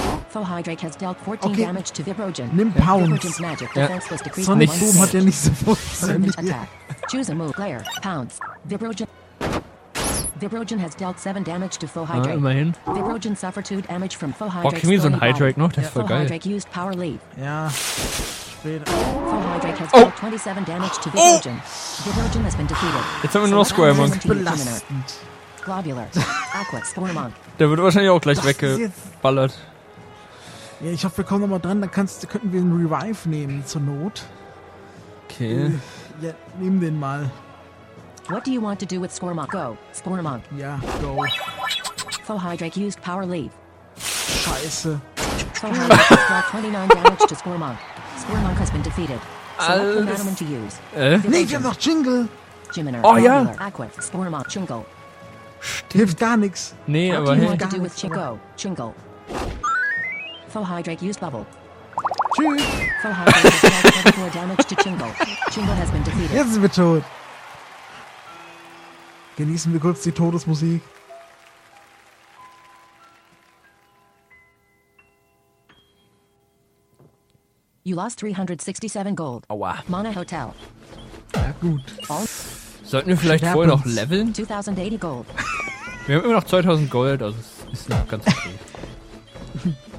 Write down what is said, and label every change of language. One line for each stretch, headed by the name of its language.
English: Full Hydrate has dealt 14 damage to Vibrogen.
German: Nimm Pounds.
English: Magic defense was decreased. Sonic
German: Boom hat ja nicht so attack.
English: Choose a move. Player. Pounds. Vibrogen. Vibrogen has dealt 7 damage to Full Hydrate.
German: Immerhin.
English: Vibrogen suffered 2 damage from Full Hydrate.
German: Boah, kriegen wir so ein Hydrate noch? Das ist voll geil.
English: Full Hydrate used power lead. Ja. Full Hydrate has dealt 27 damage to Vibrogen. Vibrogen has been defeated.
German: Jetzt haben wir nur noch Square Monk. Globular. Aqua Storm Monk. Der wird wahrscheinlich auch gleich weggeballert. Ja, ich hoffe, wir kommen nochmal dran. Könnten wir einen Revive nehmen zur Not. Okay. Ja, nehmen den mal.
English: What do you want to do with Squirmonk? Go, Squirmonk. Ja, go. Full Hydrate used power lead.
German: Scheiße.
English: Full Hydrate has 29 damage to Squirmonk. Squirmonk has been defeated. Select the Madaman to use.
German: Nee, wir haben noch Jingle. Jiminer, oh ja. Aqua, Squirmonk, Jingle. Hilft gar nichts. Nee,
English: what
German: aber
English: what do you want to do with Chingo? Jingle. Full Hydrate used bubble.
German: Tschüss.
English: Full Hydrate has 24 damage to Chingo. Chingo has been defeated.
German: Jetzt sind wir tot. Genießen wir kurz die Todesmusik.
English: You lost 367 gold.
German: Aua.
English: Mana Hotel.
German: Ja, gut. Sollten wir vielleicht vorher noch leveln? 2080 gold. Wir haben immer noch 2000 Gold, also es ist noch ganz okay.